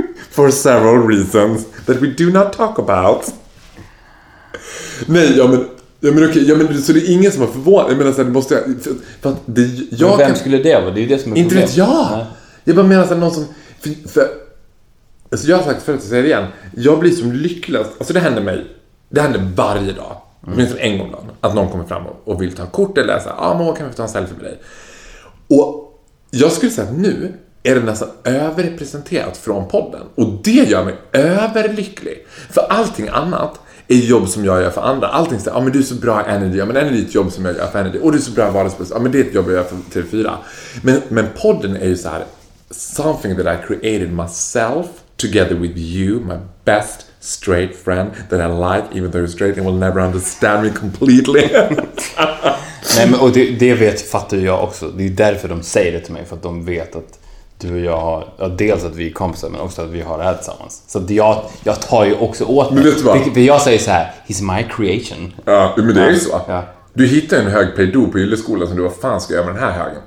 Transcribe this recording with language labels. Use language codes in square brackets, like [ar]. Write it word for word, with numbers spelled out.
[en] For several reasons that we do not talk about. [sv] Nej, ja men, ja, men okej, ja, men, så det är ingen som var förvånad. Jag menar så här, det måste jag... För, för att det, jag men vem kan, skulle det vara? Det är ju det som är inte vet jag! Nej. Jag bara menar så här, någon som... För, för, alltså jag har sagt förut, så säger det igen. Jag blir som lyckligast. Alltså det händer mig. Det händer varje dag. Mm. Minst en gång dagen. Att någon kommer fram och vill ta kort eller så här, ah, mamma, kan vi ta en selfie med dig? Och jag skulle säga att nu... är det nästan överrepresenterat från podden. Och det gör mig överlycklig. För allting annat är jobb som jag gör för andra. Allting säger, ja ah, men du är så bra Energy. Ja men Energy är ett jobb som jag gör för Energy. Och du är så bra vardagspress. Ja men det är ett jobb jag gör för T V fyra. Men, men podden är ju så här: [en] something that I created myself together with you, my best straight friend that I like even though you're straight and will never understand me completely. [sv] Nej men och det, det vet, fattar jag också. Det är därför de säger det till mig. För att de vet att du och jag har, ja, dels att vi är kompisar men också att vi har det här tillsammans. Så att jag, jag tar ju också åt mig. För jag säger så här: [en] he's my creation. [sv] Ja, men det är ju så. Ja. Du hittar en hög pedo på gylleskolan som du, vad fan ska jag göra med den här högen?